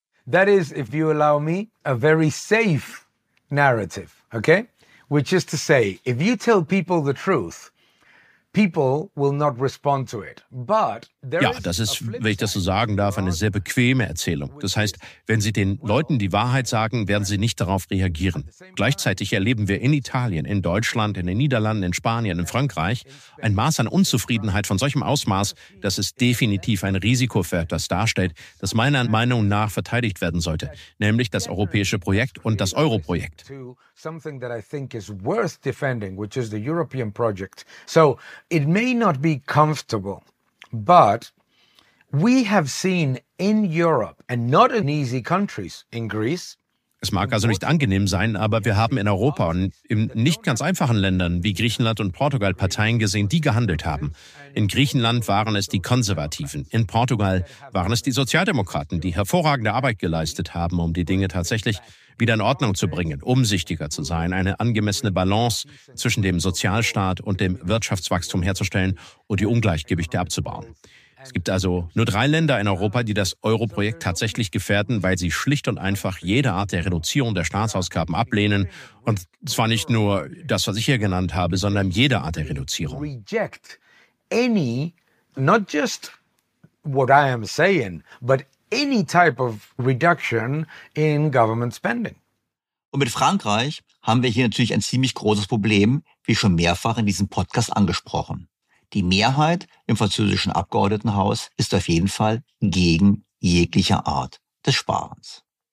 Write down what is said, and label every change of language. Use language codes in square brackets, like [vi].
[en] That is, if you allow me, a very safe narrative, okay? Which is to say, if you tell people the truth, people will not respond to it. But [de] ja, das ist, wenn ich das so sagen darf, eine sehr bequeme Erzählung. Das heißt, wenn Sie den Leuten die Wahrheit sagen, werden sie nicht darauf reagieren. Gleichzeitig erleben wir in Italien, in Deutschland, in den Niederlanden, in Spanien, in Frankreich ein Maß an Unzufriedenheit von solchem Ausmaß, dass es definitiv ein Risiko für etwas darstellt, das meiner Meinung nach verteidigt werden sollte, nämlich das europäische Projekt und das Euro-Projekt. [en] Something that I think is worth defending, which is the European project. So it may not be comfortable, but we have seen in Europe, and not in easy countries, in Greece. [de] Es mag also nicht angenehm sein, aber wir haben in Europa und in nicht ganz einfachen Ländern wie Griechenland und Portugal Parteien gesehen, die gehandelt haben. In Griechenland waren es die Konservativen. In Portugal waren es die Sozialdemokraten, die hervorragende Arbeit geleistet haben, um die Dinge tatsächlich wieder in Ordnung zu bringen, umsichtiger zu sein, eine angemessene Balance zwischen dem Sozialstaat und dem Wirtschaftswachstum herzustellen und die Ungleichgewichte abzubauen. Es gibt also nur drei Länder in Europa, die das Euro-Projekt tatsächlich gefährden, weil sie schlicht und einfach jede Art der Reduzierung der Staatsausgaben ablehnen. Und zwar nicht nur das, was ich hier genannt habe, sondern jede Art der Reduzierung. [en] Reject any, not just what I am saying, but any type of reduction in government spending. [de] Und mit Frankreich haben wir hier natürlich ein ziemlich großes Problem, wie schon mehrfach in diesem Podcast angesprochen. Die Mehrheit im französischen Abgeordnetenhaus ist auf jeden Fall gegen jegliche Art des Sparens.